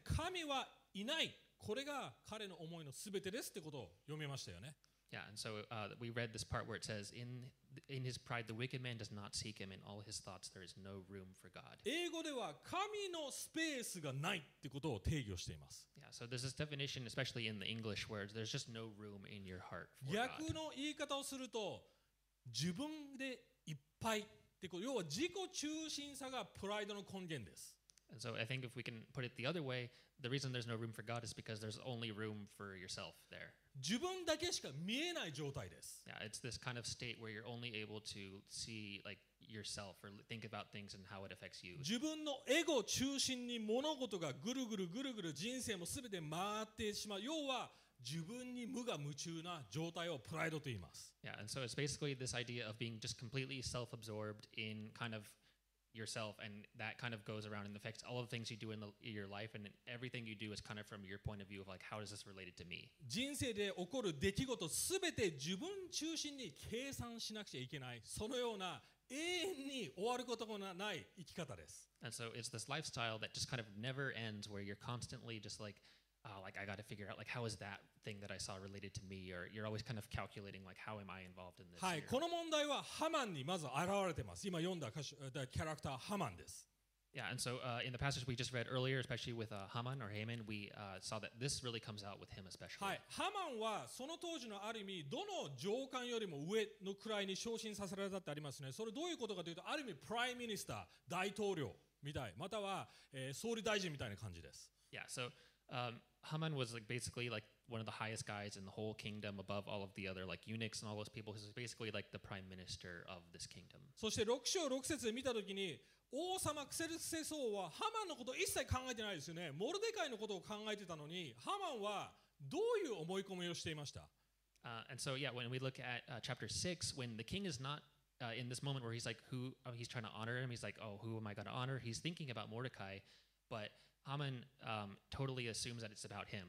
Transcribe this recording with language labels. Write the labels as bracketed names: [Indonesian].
[Japanese] 神はいない。これが彼の思いのすべてですってことを読みましたよね。 [English] Yeah, and so we read this part where it says, in his pride, the wicked man does not seek him. In all his thoughts, there is no room for God. [Japanese] 英語では神のスペースがないってことを定義をしています。 [English] Yeah, so there's this definition, especially in the English words, there's just no room in your heart for [Japanese] 逆 [English] God. [Japanese] 逆の言い方をすると、自分でいっぱいってこと、要は自己中心さがプライドの根源です。 [English] And so I think if we can put it the other way, the reason there's no room for God is because there's only room for yourself there. [Japanese] 自分だけしか見えない状態です。 [English] Yeah, it's this kind of state where you're only able to see like yourself or think about things and how it affects you. [Japanese] 自分のエゴ中心に物事がぐるぐるぐるぐる人生もすべて回ってしまう。要は自分に無我夢中な状態をプライドと言います。 [English] Yeah, and so it's basically this idea of being just completely self-absorbed in kind of yourself and that kind of goes around and affects all of the things you do in your life and everything you do is kind of from your point of view of like how is this related to me [Japanese] 人生で起こる出来事全て自分中心に計算しなくちゃいけないそのような永遠に終わることもない生き方です [English] and so it's this lifestyle that just kind of never ends where you're constantly just like like I got to figure out like how is that thing that I saw related to me or you're always kind of calculating like how am I involved in this [Japanese] はい、この問題はハマンにまず現れてます。今読んだ歌詞、 [English] the character [Japanese] ハマンです。 [English] Yeah, and so in the passage we just read earlier, especially with Haman or Haman, we saw that this really comes out with him especially. [Japanese] はい、ハマンはその当時のある意味どの上官よりも上のくらいに昇進させられたってありますね。それどういうことかというとある意味プライムミニスター、大統領みたい、または、総理大臣みたいな感じです。 [English] Yeah, so Haman was like basically like one of the highest guys in the whole kingdom above all of the other like eunuchs and all those people. He was basically like the prime minister of this kingdom. [Japanese] そして6章6節で見たときに王様クセルセ王はハマンのことを一切考えてないですよね。モルデカイのことを考えてたのにハマンはどういう思い込みをしていました？ [English] And so yeah, when we look at chapter 6, when the king is not in this moment where he's like, who, he's trying to honor him. He's like, oh, who am I going to honor? He's thinking about Mordecai, but Haman totally assumes that it's about him.